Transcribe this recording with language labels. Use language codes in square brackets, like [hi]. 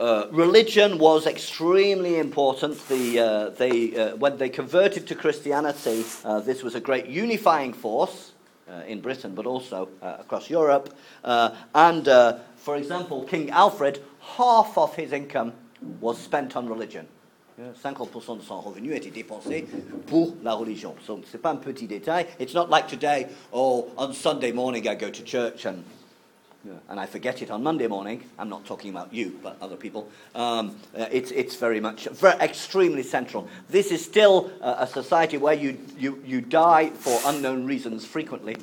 [en] Religion was extremely important. When they converted to Christianity, this was a great unifying force in Britain, but also across Europe. For example, King Alfred, half of his income was spent on religion. [fr] 50% de son revenu était dépensé pour la religion. So, c'est pas un petit détail. [en] It's not like today, on Sunday morning I go to church and I forget it on Monday morning. I'm not talking about you, but other people. It's very much, very, extremely central. This is still a society where you die for unknown reasons frequently.